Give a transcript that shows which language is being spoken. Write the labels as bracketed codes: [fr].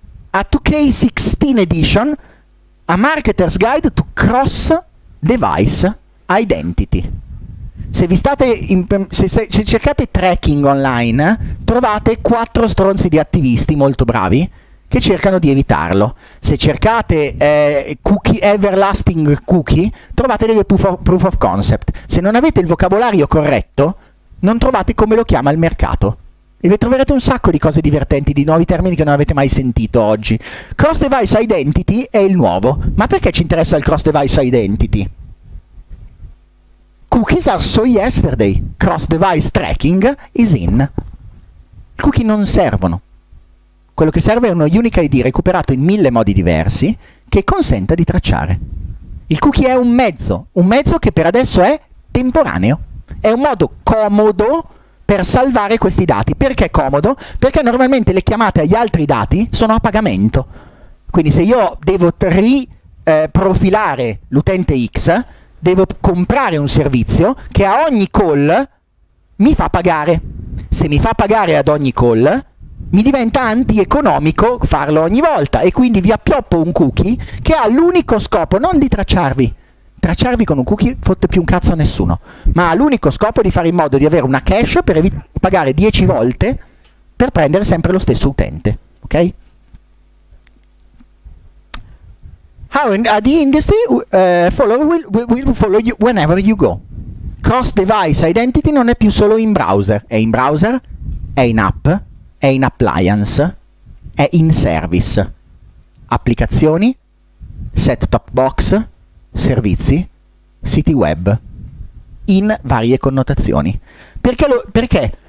[en] A 2K16 Edition, a Marketer's Guide to Cross Device Identity. [it] Se vi state se cercate tracking online, trovate quattro stronzi di attivisti molto bravi che cercano di evitarlo. Se cercate cookie, everlasting cookie, trovate delle proof of concept. Se non avete il vocabolario corretto, non trovate come lo chiama il mercato. E vi troverete un sacco di cose divertenti, di nuovi termini che non avete mai sentito oggi. Cross device identity è il nuovo. Ma perché ci interessa il cross device identity? [en] Cookies are so yesterday. Cross device tracking is in. [it] Cookie non servono. Quello che serve è uno unique ID recuperato in mille modi diversi che consenta di tracciare. Il cookie è un mezzo che per adesso è temporaneo. È un modo comodo per salvare questi dati. Perché è comodo? Perché normalmente le chiamate agli altri dati sono a pagamento. Quindi se io devo riprofilare l'utente X, devo comprare un servizio che a ogni call mi fa pagare. Se mi fa pagare ad ogni call, mi diventa antieconomico farlo ogni volta, e quindi vi appioppo un cookie che ha l'unico scopo non di tracciarvi. Tracciarvi con un cookie fotte più un cazzo a nessuno, ma ha l'unico scopo di fare in modo di avere una cache per pagare 10 volte per prendere sempre lo stesso utente. Ok? [en] How in, the industry will follow you whenever you go. [it] Cross device identity non è più solo in browser, è in browser, è in app, è in appliance, è in service, applicazioni, set top box, servizi, siti web, in varie connotazioni. Perché?